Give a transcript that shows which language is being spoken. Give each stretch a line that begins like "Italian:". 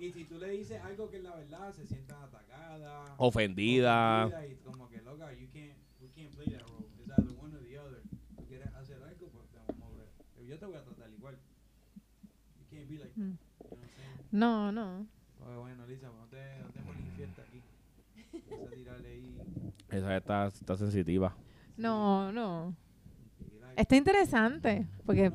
Spanish: Y si tú le dices algo que es la verdad, se sientan atacadas. Ofendida. Como que, loca,
English: you can't play that role. It's either one or the other.
Spanish: Tú quieres hacer algo, pues te vamos a mover. Yo te voy a tratar igual.
English: You can't be like that.
Spanish: No, no. Bueno, Lisa, no te Esa está sensitiva. No, no. Está interesante. Porque no.